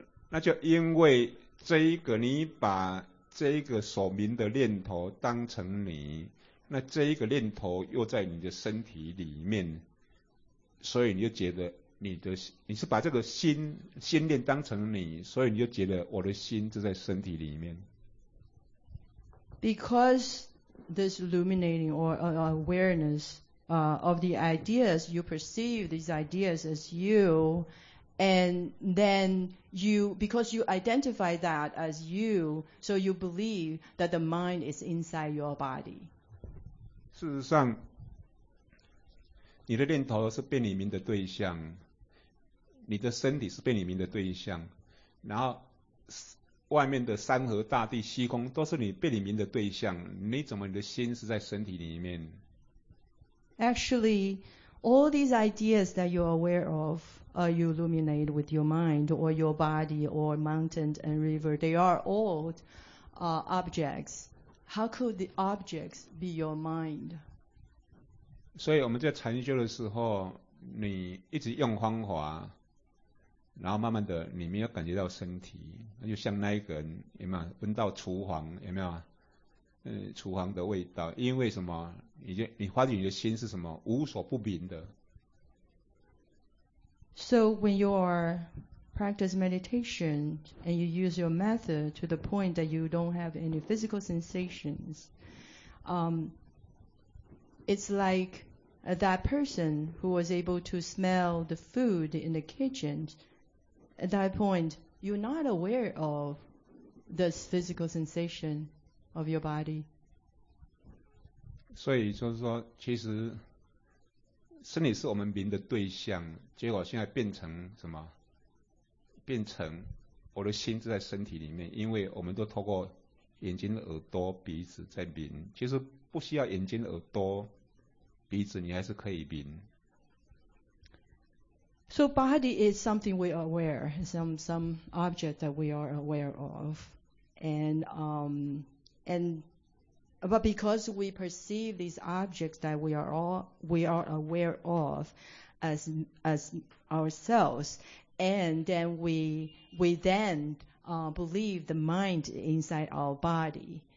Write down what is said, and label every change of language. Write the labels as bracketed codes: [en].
[zh] 那就因为这一个你把这一个所名的念头当成你，那这一个念头又在你的身体里面，所以你就觉得你是把这个心念当成你，所以你就觉得我的心就在身体里面。 [en] Because this illuminating or awareness of the ideas, you perceive these ideas as you, and then you, because you identify that as you, so you believe that the mind is inside your body. [zh] 事实上，你的念头是被你明的对象，你的身体是被你明的对象，然后外面的山河大地虚空都是你被你明的对象，你怎么你的心是在身体里面？ [en] Actually, all these ideas that you are aware of, you illuminate with your mind or your body or mountains and river, they are all objects. How could the objects be your mind? [zh] 所以我们在禅修的时候，你一直用方法，然后慢慢的你没有感觉到身体，那就像那一个人有没有闻到厨房，有没有厨房的味道，因为什么？你发觉你的心是什么？无所不明的。 [en] So when you are practice meditation and you use your method to the point that you don't have any physical sensations, it's like that person who was able to smell the food in the kitchen. At that point, you're not aware of the physical sensation of your body. [zh] 所以就是说，其实身体是我们明的对象，结果现在变成什么？变成我的心就在身体里面，因为我们都透过眼睛、耳朵、鼻子在明。其实不需要眼睛、耳朵、鼻子，你还是可以明。 [en] So body is something we are aware, some object that we are aware of, but because we perceive these objects that we are aware of as ourselves, and then we then believe the mind inside our body.